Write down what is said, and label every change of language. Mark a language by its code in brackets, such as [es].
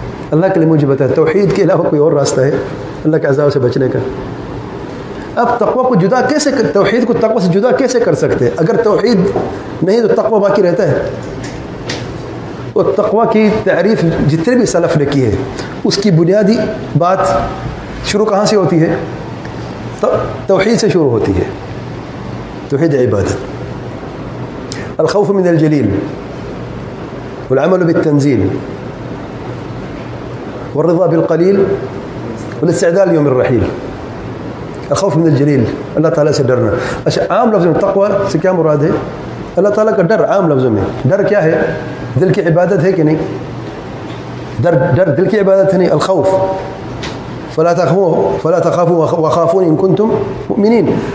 [ur] اللہ کے لیے مجھے بتایا توحید کے علاوہ کوئی اور راستہ ہے اللہ کے عذاب سے بچنے کا؟ اب تقویٰ کو جدا کیسے کر, توحید کو تقویٰ سے جدا کیسے کر سکتے ہیں؟ اگر توحید نہیں تو تقویٰ باقی رہتا ہے. اور تقویٰ کی تعریف جتنے بھی سلف نے کی ہے اس کی بنیادی بات شروع کہاں سے ہوتی ہے؟ توحید سے شروع ہوتی ہے. [ar] توحید عبادت, الخوف من الجلیل والعمل بالتنزیل والرضا بالقلیل والاستعداد ليوم الرحيل. الخوف من الجلیل, [ur] اللہ تعالیٰ سے ڈرنا. اچھا عام لفظ میں تقویٰ سے کیا مراد ہے؟ اللہ تعالیٰ کا ڈر. عام لفظ میں ڈر کیا ہے؟ دل کی عبادت ہے کہ نہیں؟ ڈر دل کی عبادت ہے نہیں؟ [ar] الخوف, فلا تخافوا وخافون ان کنتم مؤمنین.